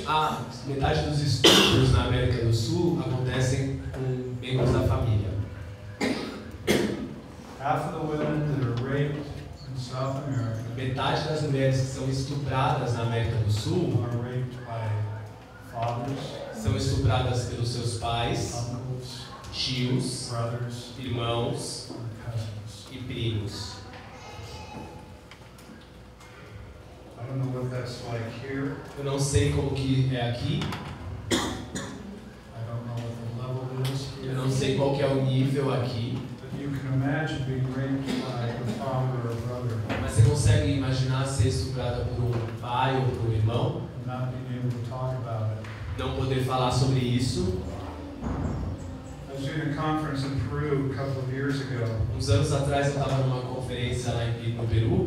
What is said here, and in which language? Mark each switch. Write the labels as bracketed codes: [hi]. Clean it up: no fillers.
[pt] Ah, metade dos estupros na América do Sul acontecem com membros da família. [en] Half of the women that are raped in South America, [pt] metade das mulheres que são estupradas na América do Sul, [en] are raped by fathers, [pt] são estupradas pelos seus pais, [en] uncles, [pt] tios, [en] brothers, [pt] irmãos [en] and cousins. [pt] E primos. [en] I don't know what that's like here. [pt] Eu não sei como que é aqui. [en] I don't know what the level is here. [pt] Eu não sei qual que é o nível aqui. [en] But you can imagine being raped by a father or a brother. [pt] Mas você consegue imaginar ser estuprada por um pai ou por um irmão? [en] Not being able to talk about it. [pt] Não poder falar sobre isso. [en] I was doing a conference in Peru a couple of years ago. [pt] Uns anos atrás eu estava numa conferência lá em no Peru.